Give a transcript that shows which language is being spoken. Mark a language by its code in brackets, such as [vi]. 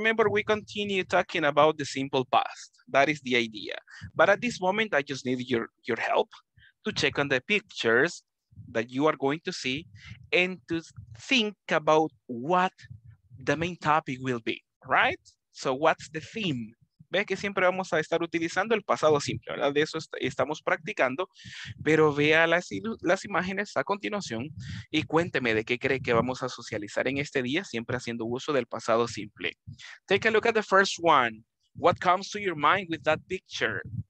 [en] Remember, we continue talking about the simple past. That is the idea. But at this moment, I just need your help to check on the pictures that you are going to see and to think about what the main topic will be, right? So what's the theme? [es] Ve que siempre vamos a estar utilizando el pasado simple, ¿verdad? De eso estamos practicando, pero vea las imágenes a continuación y cuénteme de qué cree que vamos a socializar en este día, siempre haciendo uso del pasado simple. [en] Take a look at the first one. What comes to your mind with that picture?